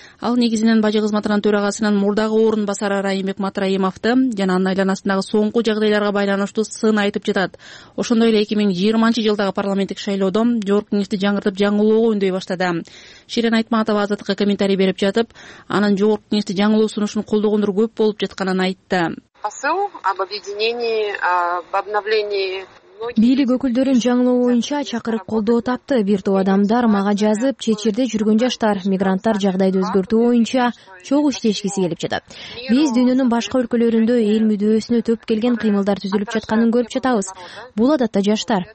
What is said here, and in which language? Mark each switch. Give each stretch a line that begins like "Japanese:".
Kyrgyz: Ал негизинен бажы кызматынын төрагасынын мурдагы орун басары Райымбек Матраимовду жана анын айланасындагы соңку жагдайларга байланыштуу сын айтып жатат. Ошондой эле 2020 жылдагы парламенттик шайлоодо жогорку кеңешти жаңыртып жаңылоого үндөй баштады. Ширин Айтматова Азаттыкка комментарий берип жатып, анын жогорку кеңешти жаңылоо сунушун колдогондор көп болуп жатканын айтты.
Russian: Посыл об объединении, об обновлении.
Kyrgyz: Бийлик өкүлдөрүн жаңылоо боюнча чакырык колдоо тапты. Бир топ адамдар мага жазып, чечирде жүргөн жаштар, мигранттар жагдайды өзгөртүү боюнча чогуу иштешкиси келип жатат. Биз дүйнөнүн башка өлкөлөрүндө эл мүдөөсүнө төп келген кыймылдар түзүлүп жатканын көрүп жатабыз. Бул адатта жаштар.